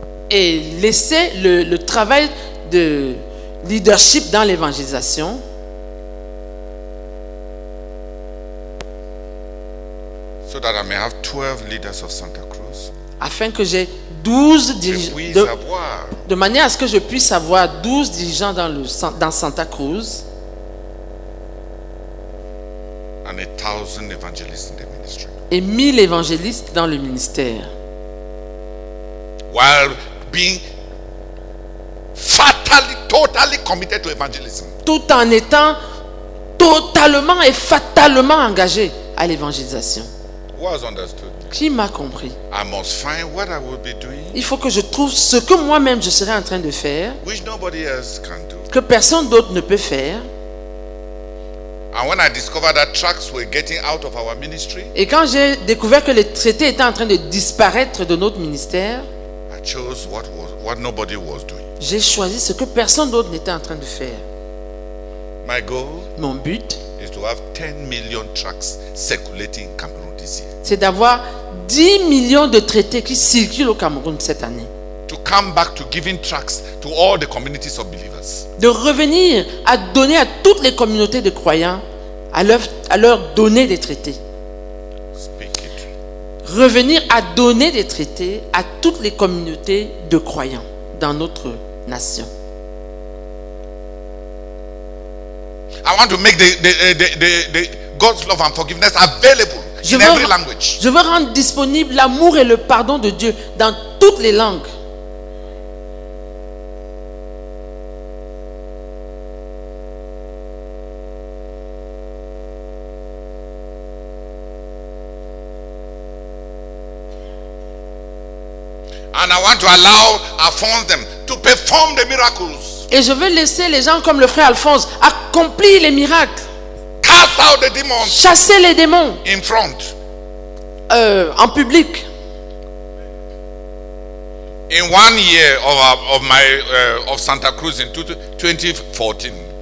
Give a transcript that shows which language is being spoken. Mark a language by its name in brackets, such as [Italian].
[French] Et laisser le travail de leadership dans l'évangélisation. [English] So that I may have 12 leaders of Santa Cruz. [French] Afin que j'ai 12 dirigeants de manière à ce que je puisse avoir 12 dirigeants dans Santa Cruz [English] and 1,000 evangelists in the ministry. [French] Et 1,000 évangélistes dans le ministère [English] while being fatally totally committed to evangelism. [French] Tout en étant totalement et fatalement engagé à l'évangélisation. [English] Was understood. [French] Qui m'a compris? [English] I must find what I will be doing. [French] Il faut que je trouve ce que moi-même je serai en train de faire. [English] Which nobody else can do. [French] Que personne d'autre ne peut faire. [English] And when I discovered that tracts were getting out of our ministry. [French] Et quand j'ai découvert que les traités étaient en train de disparaître de notre ministère. [English] I chose what nobody was doing. [French] J'ai choisi ce que personne d'autre n'était en train de faire. [English] My goal. [French] Mon but. [English] Is to have 10 million tracts circulating in Cameroon. [French] C'est d'avoir 10 millions de traités qui circulent au Cameroun cette année. [English] To come back to giving tracts to all the communities of believers. [French] De revenir à donner à toutes les communautés de croyants, à leur donner des traités. [English] Speak it. [French] Revenir à donner des traités à toutes les communautés de croyants dans notre nation. [English] I want to make the God's love and forgiveness available. [French] Je veux rendre disponible l'amour et le pardon de Dieu dans toutes les langues. [English] And I want to allow Alphonse them to perform the miracles. [French] Et je veux laisser les gens comme le frère Alphonse accomplir les miracles. [English] Cast out the demons. [French] Chasser les démons. [English] In front. [French] En public. [English] In 1 year of Santa Cruz in 2014.